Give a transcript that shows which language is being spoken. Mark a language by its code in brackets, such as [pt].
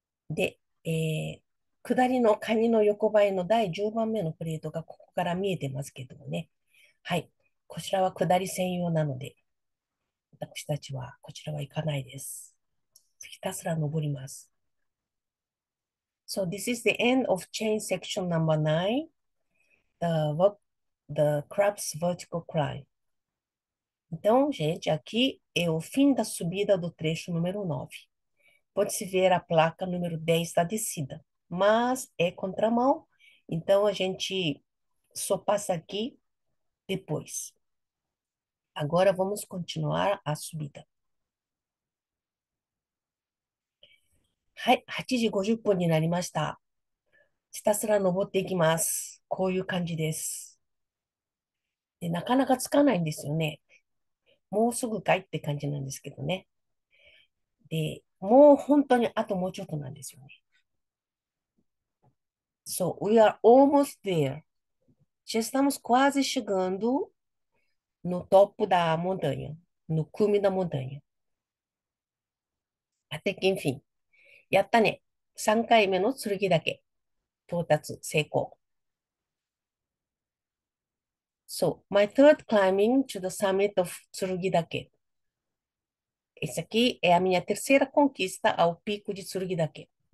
[ja] で、下りのカニの横ばいの第10番目のプレートがここから見えてますけどもね。はい、こちらは下り専用なので、私たちはこちらは行かないです。ひたすら登ります。 [en] So this is the end of chain section number 9, the crab's vertical climb. [pt] Então, gente, aqui é o fim da subida do trecho número 9. Pode-se ver a placa número 10 da descida, mas é contramão, então a gente só passa aqui depois. Agora vamos continuar a subida. [ja] はい、8時50分になりました。ひたすら登っていきます。こういう感じです。で、なかなかつかないんですよね。もうすぐかいって感じなんですけどね。で、もう本当にあともうちょっとなんですよね。 [en] So, we are almost there. [pt] Já estamos quase chegando no topo da montanha, no cume da montanha. Até que enfim. [ja] やったね。3回目の剣岳。到達成功。 [en] So, my third climbing to the summit of 剣岳. [pt] Esse aqui é a minha terceira conquista ao Pico de Tsurugi-Dake.